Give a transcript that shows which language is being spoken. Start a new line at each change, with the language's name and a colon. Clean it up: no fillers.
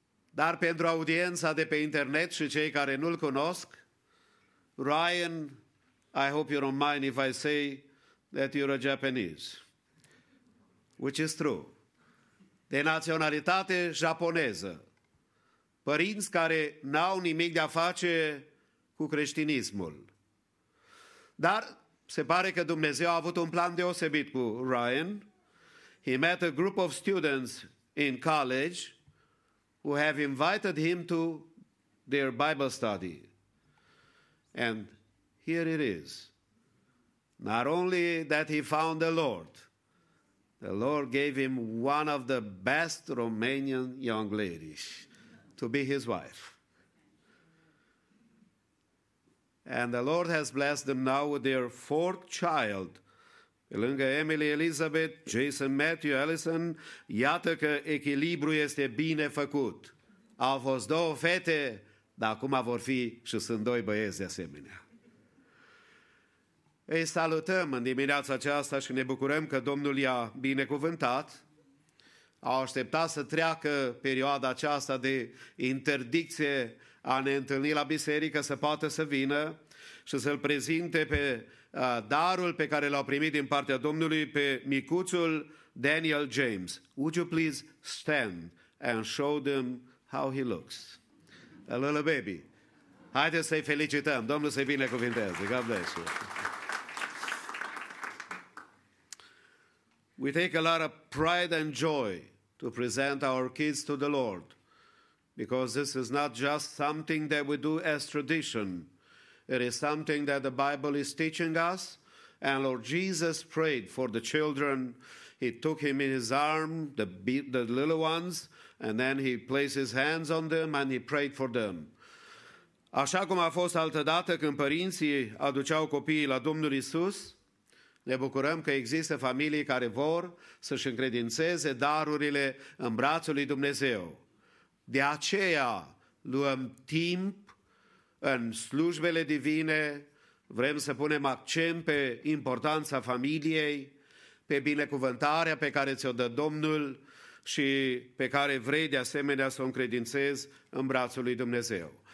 Romanian: Dar pentru audiența de pe internet și cei care nu-l cunosc,
English: Ryan, I hope you don't mind if I say that you're a Japanese. Which is true.
Romanian: De naționalitate japoneză. Părinți care n-au nimic de-a face cu creștinismul. Dar se pare că Dumnezeu a avut un plan deosebit cu Ryan.
English: He met a group of students in college who have invited him to their Bible study. And here it is. Not only that he found the Lord gave him one of the best Romanian young ladies to be his wife. And the Lord has blessed them now with their fourth child.
Romanian: Pe lângă Emily, Elizabeth, Jason, Matthew, Allison, iată că echilibru este bine făcut. Au fost două fete, dar acum vor fi și sunt doi băieți de asemenea. Îi salutăm în dimineața aceasta și ne bucurăm că Domnul i-a binecuvântat. Au așteptat să treacă perioada aceasta de interdicție a ne întâlni la biserică să poată să vină și să-l prezinte pe darul pe care l-au primit din partea Domnului pe micuțul Daniel James.
English: Would you please stand and show them how he looks? A little baby.
Romanian: Haideți să-i felicităm. Domnul să-i binecuvinteze.
English: God bless you. We take a lot of pride and joy to present our kids to the Lord because this is not just something that we do as tradition. It is something that the Bible is teaching us. And Lord Jesus prayed for the children. He took him in his arm, the little ones, and then he placed his hands on them and he prayed for them.
Romanian: Așa cum a fost altădată când părinții aduceau copiii la Domnul Iisus, ne bucurăm că există familii care vor să-și încredințeze darurile în brațul lui Dumnezeu. De aceea luăm timp în slujbele divine, vrem să punem accent pe importanța familiei, pe binecuvântarea pe care ți-o dă Domnul și pe care vrei de asemenea să o încredințezi în brațul lui Dumnezeu.